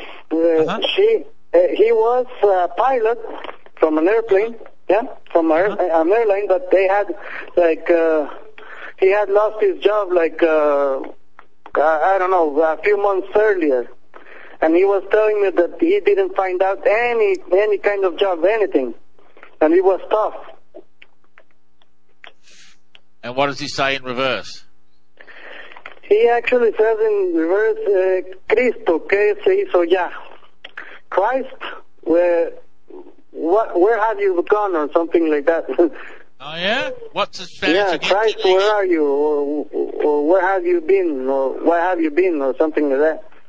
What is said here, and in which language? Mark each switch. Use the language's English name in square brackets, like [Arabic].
[English] He was a pilot from an airplane, an airline, but they had, like, he had lost his job, like, I don't know, a few months earlier. And he was telling me that he didn't find out any kind of job, anything. And he was tough. And what does he say in reverse? He actually says in reverse, [Spanish] Cristo, ¿qué se hizo ya? [English] Christ, where have you gone, or something like that? Oh yeah, what's the Spanish? Yeah, Christ, where are you, or where have you been, or where have you been, or something like that?